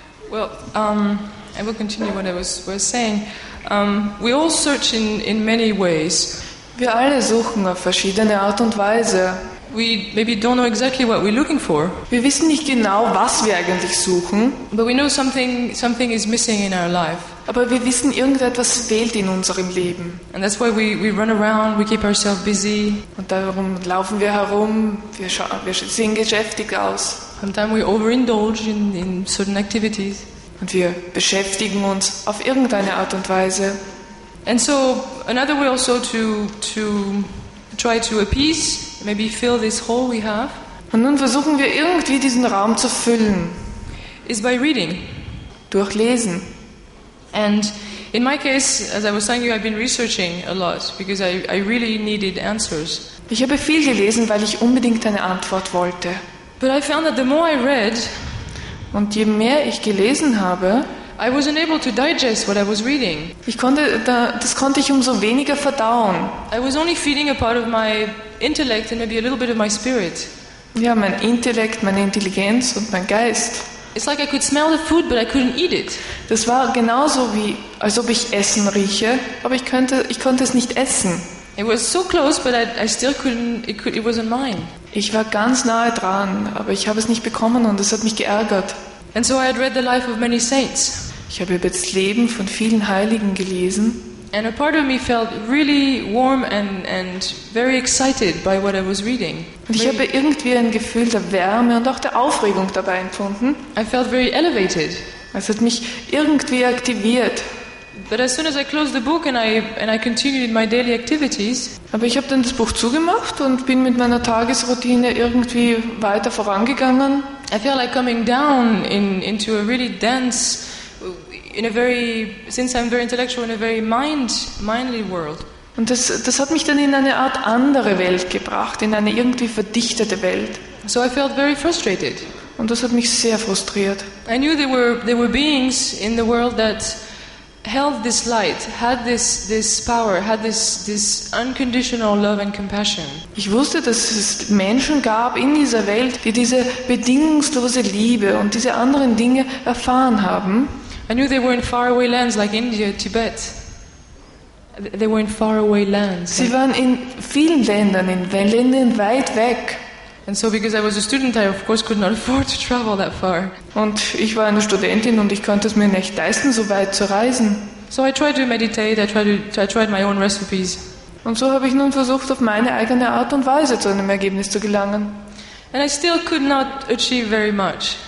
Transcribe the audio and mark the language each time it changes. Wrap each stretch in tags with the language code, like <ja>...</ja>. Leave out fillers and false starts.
<en>Well, I will continue what I was saying. We all search in many ways.</en> <de>Wir alle suchen auf verschiedene Art und Weise.</de> <en>We maybe don't know exactly what we're looking for.</en> <de>Wir wissen nicht genau, was wir eigentlich suchen.</de> <en>But we know something is missing in our life.</en> <de>Aber wir wissen, irgendetwas fehlt in unserem Leben.</de> <en>And that's why we run around, we keep ourselves busy.</en> <de>Und darum laufen wir herum, wir sehen geschäftig aus.</de> <en>Sometimes we overindulge in certain activities.</en> <de>Und wir beschäftigen uns auf irgendeine Art und Weise.</de> <en>And so another way also to try to appease, maybe fill this hole we have.</en> <de>Und nun versuchen wir irgendwie diesen Raum zu füllen.</de> <en>Is by reading.</en> <de>Durchlesen.</de> <en>And in my case, as I was telling you, I've been researching a lot because I really needed answers.</en> <de>Ich habe viel gelesen, weil ich unbedingt eine Antwort wollte.</de> <en>But I found that the more I read,</en> <de>und je mehr ich gelesen habe,</de> <en>I was unable to digest what I was reading.</en> <de>Das konnte ich umso weniger verdauen.</de> <en>I was only feeding a part of my intellect and maybe a little bit of my spirit.</en> <de>Ja, mein Intellekt, meine Intelligenz und mein Geist.</de> <en>It's like I could smell the food, but I couldn't eat it.</en> <de>Das war genauso wie, als ob ich Essen rieche, aber ich konnte es nicht essen.</de> <en>It was so close, but I still couldn't. It wasn't mine.</en> <de>Ich war ganz nahe dran, aber ich habe es nicht bekommen und es hat mich geärgert.</de> <en>And so I had read the life of many saints.</en> <de>Ich habe über das Leben von vielen Heiligen gelesen.</de> <en>And a part of me felt really warm and very excited by what I was reading.</en> <de>Und ich habe irgendwie ein Gefühl der Wärme und auch der Aufregung dabei empfunden.</de> <en>I felt very elevated.</en> <de>Es hat mich irgendwie aktiviert.</de> <en>But as soon as I closed the book and I continued in my daily activities.</en> <de>Aber ich habe dann das Buch zugemacht und bin mit meiner Tagesroutine irgendwie weiter vorangegangen.</de> <en>I felt like coming down into a really dense, in a very, since I'm very intellectual, in a very mindly world.</en> <de>Und das hat mich dann in eine Art andere Welt gebracht, in eine irgendwie verdichtete Welt.</de> <en>So I felt very frustrated.</en> <de>Und das hat mich sehr frustriert.</de> <en>I knew there were beings in the world that held this light, had this power, had this unconditional love and compassion.</en> <de>Ich wusste, dass es Menschen gab in dieser Welt, die diese bedingungslose Liebe und diese anderen Dinge erfahren haben.</de> <en>I knew they were in faraway lands like India, Tibet. They were in faraway lands.</en> <de>Sie waren in vielen Ländern, in Ländern weit weg.</de> <en>And so because I was a student, I of course could not afford to travel that far.</en> <de>Und ich war eine Studentin und ich konnte es mir nicht leisten, so weit zu reisen.</de> <en>So I tried to meditate, I tried my own recipes.</en> <de>Und so habe ich nun versucht, auf meine eigene Art und Weise zu einem Ergebnis zu gelangen.</de> <en>And I still could not achieve very much.</en>